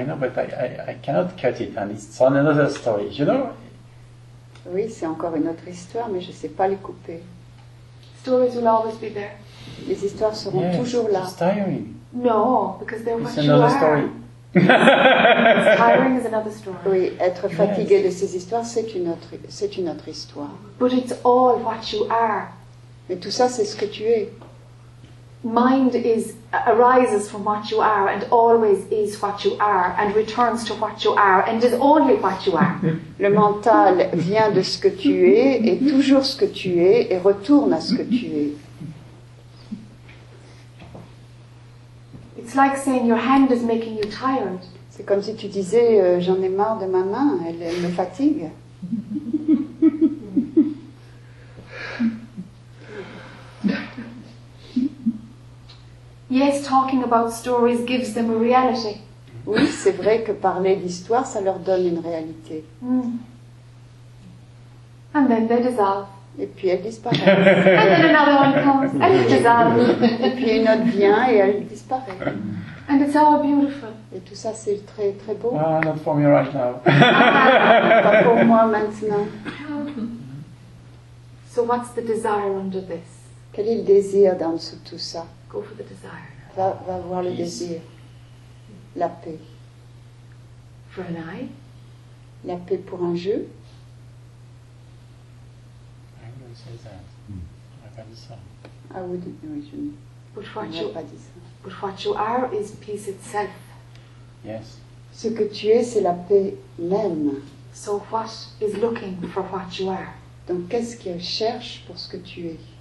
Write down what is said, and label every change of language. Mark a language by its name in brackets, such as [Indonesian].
[English] I know, but I cannot cut it, and it's on another story, you know? [French] Oui, c'est encore une autre histoire, mais je sais pas les couper. [English] Stories will always be there. [French] Les histoires seront toujours là. [English] It's tiring. No, because they're what you are. It's another story. Tiring is another story. [French] Oui, être fatigué de ces histoires, c'est une autre histoire. [English] But it's all what you are. [French] Mais tout ça, c'est ce que tu es. [English] Mind is arises from what you are and always is what you are and returns to what you are and is only what you are. [French] Le mental vient de ce que tu es, est toujours ce que tu es et retourne à ce que tu es. [English] It's like saying your hand is making you tired. [French] C'est comme si tu disais j'en ai marre de ma main, elle me fatigue. [English] Yes, talking about stories gives them a reality. [French] Oui, c'est vrai que parler d'histoire, ça leur donne une réalité. [English] Mm. And then they dissolve. [French] Et puis elles disparaissent. [English] And then another one comes. And it dissolves. [French] Et puis une autre vient et elle disparaît. [English] And it's all beautiful. [French] Et tout ça, c'est très très beau. [English] Ah, not for me right now. [French] Pas pour moi maintenant. [English] So what's the desire under this? [French] Quel est le désir dans dessous de tout ça? [English] Go for the desire. [French] Va voir le désir. La paix. [English] For an eye. [French] La paix pour un jeu. [English] I wouldn't say that. I can't say. I wouldn't know it. But what you are is peace itself. Yes. [French] Ce que tu es, c'est la paix même. [English] So what is looking for what you are? [French] Donc qu'est-ce qu'elle cherche pour ce que tu es?